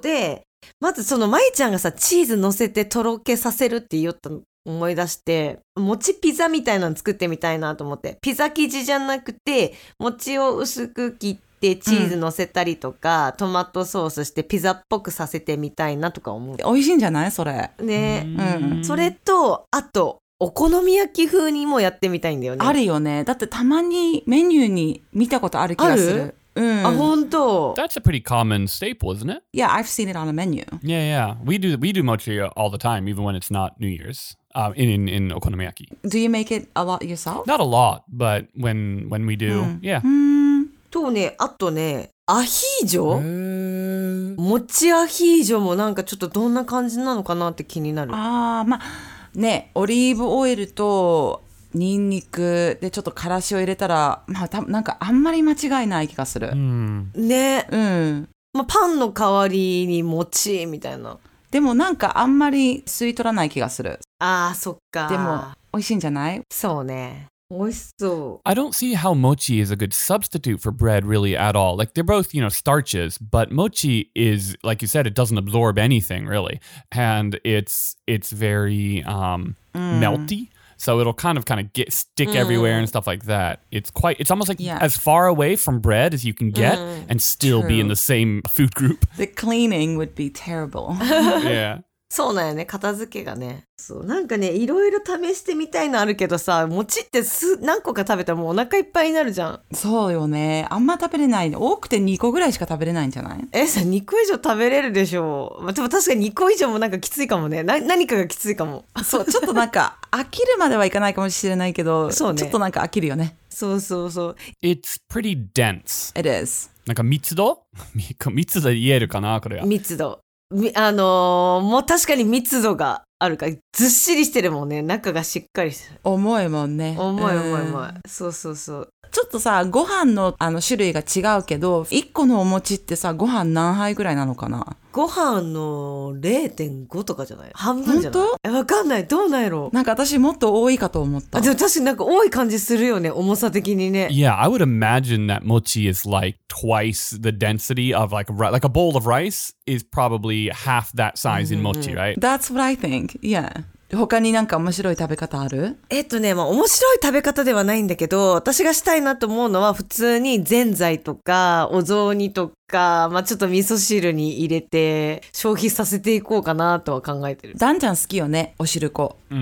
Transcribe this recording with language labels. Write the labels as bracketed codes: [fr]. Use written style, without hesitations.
[ja] でまずそのまいちゃんがさ、チーズ乗せてとろけさせるって言ったの思い出して、餅ピザみたいなの作ってみたいなと思って、ピザ生地じゃなくて餅を薄く切ってチーズ乗せたりとか、トマトソースしてピザっぽくさせてみたいなとか思って。美味しいんじゃないそれね。それとあとお好み焼き風にもやってみたいんだよね。あるよね。だってたまにメニューに見たことある気がする。あ、本当。 [en] That's a pretty common staple, isn't it? Yeah, I've seen it on a menu. Yeah, yeah. We do mochi all the time, even when it's not New Year's, in okonomiyaki. Do you make it a lot yourself? Not a lot, but when we do, yeah. [ja] とね、あとね、アヒージョ。もちアヒージョもなんかちょっとどんな感じなのかなって気になる。ああ、まあね、オリーブオイルとニンニクでちょっとからしを入れたら、まあ、たなんかあんまり間違いない気がする、うん、ね、うん、まあ、パンの代わりに餅みたいな。でもなんかあんまり吸い取らない気がする。あーそっか。でも美味しいんじゃない。そうね、美味しそう。 [en] I don't see how mochi is a good substitute for bread really at all. Like they're both, you know, starches, but mochi is, like you said, it doesn't absorb anything really. And it's very melty. So it'll kind of get stick everywhere and stuff like that. It's almost like as far away from bread as you can get and still be in the same food group. The cleaning would be terrible. Yeah. [ja] そうなんやね、片付けがね。そうなんかね、いろいろ試してみたいのあるけどさ、餅って何個か食べたらもうお腹いっぱいになるじゃん。そうよね、あんま食べれない。多くて2個ぐらいしか食べれないんじゃない。えさ、2個以上食べれるでしょう。でも確かに2個以上もなんかきついかもね。何かがきついかも。そうちょっとなんか飽きるまではいかないかもしれないけど、そう、ね、ちょっとなんか飽きるよね。そうそうそう。 [en] It's pretty dense. It is. [ja] なんか密度密度で言えるかな、これは。密度、もう確かに密度があるからずっしりしてるもんね。中がしっかりしてる。重いもんね。重い重い重い。そうそうそう。ちょっとさ、ご飯の、あの種類が違うけど、1個のお餅ってさ、ご飯何杯ぐらいなのかな。ご飯の 0.5 とかじゃない。半分じゃない。本当？分かんない。どうなんやろ。なんか私もっと多いかと思った。あ、でも確かになんか多い感じするよね、重さ的にね。 [en] Yeah, I would imagine that mochi is like twice the density of like a bowl of rice is probably half that size in mochi, right? That's what I think, yeah. [ja] 他になんか面白い食べ方ある？まあ、面白い食べ方ではないんだけど、私がしたいなと思うのは普通にぜんざいとかお雑煮とか、まあ、ちょっと味噌汁に入れて消費させていこうかなとは考えてる。ダンちゃん好きよね、おしるこ。